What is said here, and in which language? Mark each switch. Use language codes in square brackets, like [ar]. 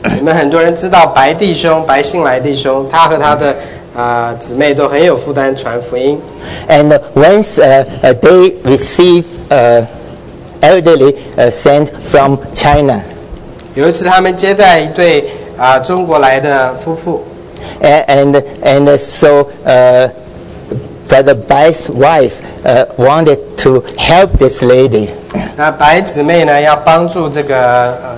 [zh] 你们很多人知道白弟兄，白信来弟兄，他和他的姊妹都很有负担传福音。 [en] And once they received elderly sent from China. [zh] 有一次他们接待一对中国来的夫妇。 [en] And so, Brother Bai's wife wanted to help this lady. [zh] 那白姊妹呢要帮助这个